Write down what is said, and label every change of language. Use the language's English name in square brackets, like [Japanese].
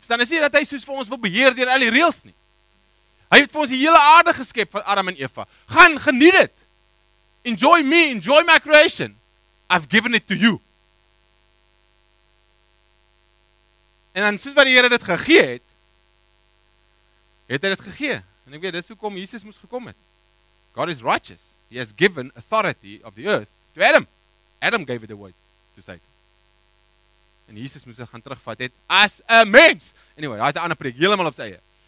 [Afrikaans] Verstaan, is nie dat hy soos vir ons wil beheer deur al die reëls nie. Hy het vir ons die hele aarde geskep van Adam en Eva. Gaan, geniet dit. [English] Enjoy me, enjoy my creation. I've given it to you. [Afrikaans] En dan soos wat die Here dit gegee het, het hy dit gegee. En ek weet, dis hoekom Jesus moes gekom het. [English] God is righteous. He has given authority of the earth to Adam. Adam gave it away to Satan. [Afrikaans] En Jesus moes dit gaan terugvat het as 'n mens. Anyway, daar is 'n ander preek, helemaal op sy eie.